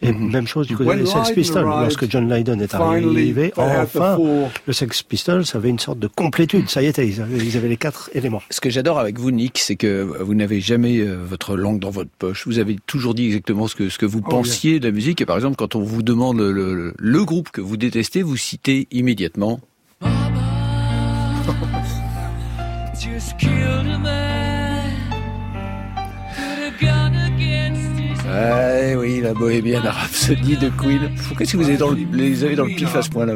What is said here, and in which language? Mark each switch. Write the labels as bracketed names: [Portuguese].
[French] Et même chose du côté des Sex Pistols. Lorsque John Lydon est arrivé, enfin, le Sex Pistols avait une sorte de complétude. Ça y était, ils avaient les quatre éléments. Ce que j'adore avec vous, Nick, c'est que vous n'avez jamais votre langue dans votre poche. Vous avez toujours dit exactement ce que vous pensiez de la musique. Et par exemple, quand on vous demande le groupe que vous détestez, vous citez immédiatement... [English] Just killed a man. Could have gone against his [French] Ah oui, la bohémienne Rhapsody de Queen. Qu'est-ce que vous avez dans le, les avez dans le pif à ce point-là?